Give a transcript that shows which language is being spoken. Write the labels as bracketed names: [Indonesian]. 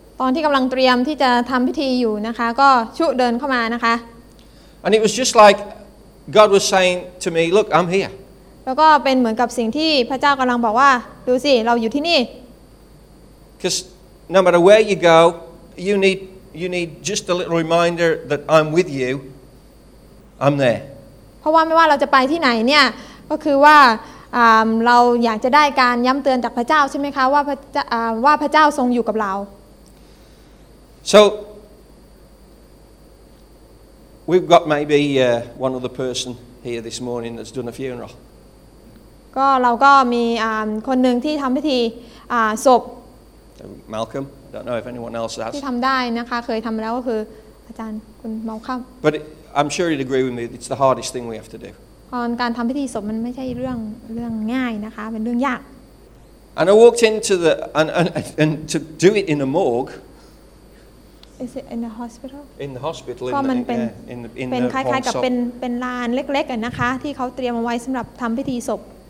[Thai] ตอนที่กำลังเตรียมที่จะทำพิธีอยู่นะคะก็ชุเดินเข้ามานะคะ [English] and it was just like God was saying to me look I'm here [Thai] แล้วก็เป็นเหมือนกับสิ่งที่พระเจ้ากำลังบอกว่าดูสิเราอยู่ที่นี่ [English] Because no matter where you go you need just a little reminder that I'm with you I'm there [Thai] เพราะว่าไม่ว่าเราจะไปที่ไหนเนี่ยก็คือว่าเราอยากจะได้การย้ำเตือนจากพระเจ้าใช่ไหมคะว่าพระเจ้าทรงอยู่กับเรา [English] So we've got maybe one other person here this morning that's done a funeral [Thai] ก็เราก็มีคนหนึ่งที่ทำพิธีศพ [English] Malcolm don't know if anyone else has [Thai] ที่ทำได้นะคะเคยทำแล้วก็คืออาจารย์คุณ Malcolm [English] but I'm sure you'd agree with me it's the hardest thing we have to do [Thai] การทำพิธีศพมันไม่ใช่เรื่องง่ายนะคะเป็นเรื่องยาก [English] and I walked into the and to do it in a morgue is it in a hospital in the hospital [Thai] ก็มันเป็นคล้ายๆกับเป็นลานเล็กๆนะคะที่เขาเตรียมเอาไว้สำหรับทำพิธีศพ